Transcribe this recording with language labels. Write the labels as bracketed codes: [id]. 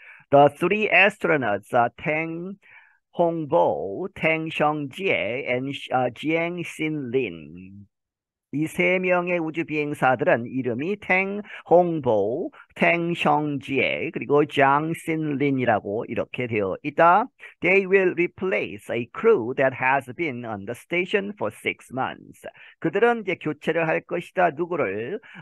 [en] The three astronauts are 탱 홍보, 탱 셩지에, and 지앵 신린. [ko] 이세 명의 우주 비행사들은 이름이 탱 홍보, 탱 셩지에, 그리고 장 신린이라고 이렇게 되어 있다. [en] They will replace a crew that has been on the station for 6 months. [ko] 그들은 이제 교체를 할 것이다. 누구를?